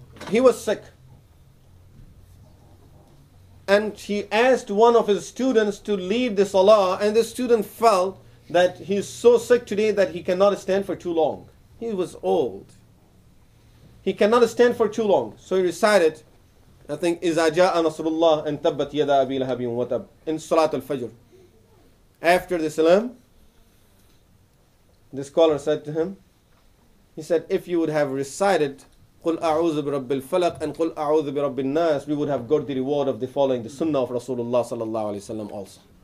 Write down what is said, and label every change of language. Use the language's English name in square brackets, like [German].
[English] He was sick. And he asked one of his students to lead the salah, and the student felt that he's so sick today that he cannot stand for too long. He was old. He cannot stand for too long. So he recited, I think, [Arabic] إِذَا جَاءَ نَصْرُ اللَّهِ أَنْ تَبَّتْ يَدَى أَبِي لَهَبٍ وَتَبْ [English] in Salatul Fajr. After the salam, the scholar said to him, he said, if you would have recited [Arabic] قُلْ أَعُوذُ بِرَبِّ الْفَلَقِ [English] and [Arabic] قُلْ أَعُوذُ بِرَبِّ النَّاسِ, [English] we would have got the reward of the following, the sunnah of Rasulullah sallallahu alayhi wa sallam also.